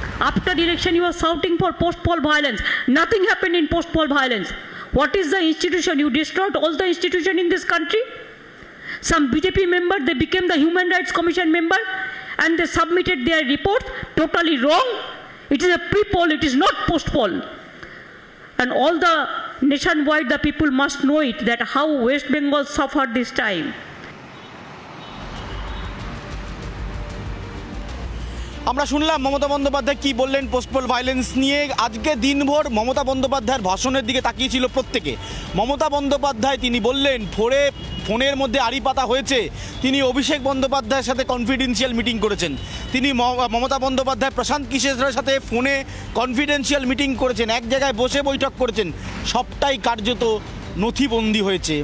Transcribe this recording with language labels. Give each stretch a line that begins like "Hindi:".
English: After election you are shouting for post poll violence, nothing happened in post poll violence, what is the institution, you destroyed all the institution in this country. Some BJP member they became the human rights commission member and they submitted their report, totally wrong. It is a pre-poll, it is not post-poll. And all the nationwide, the people must know it, that how West Bengal suffered this time.
Bangla: আমরা শুনলাম মমতা বন্দ্যোপাধ্যায় কী বললেন post-poll violence নিয়ে। আজকে দিনভর মমতা বন্দ্যোপাধ্যায়ের ভাষণের দিকে তাকিয়েছিল প্রত্যেকে। মমতা বন্দ্যোপাধ্যায় তিনি বললেন ফোরে ফোনের মধ্যে আড়ি পাতা হয়েছে, তিনি অভিষেক বন্দ্যোপাধ্যায়ের সাথে কনফিডেন্সিয়াল মিটিং করেছেন, তিনি মমতা বন্দ্যোপাধ্যায় প্রশান্ত কিশোরের সাথে ফোনে কনফিডেন্সিয়াল মিটিং করেছেন, এক জায়গায় বসে বৈঠক করেছেন, সবটাই কার্যত নথিবন্দী হয়েছে।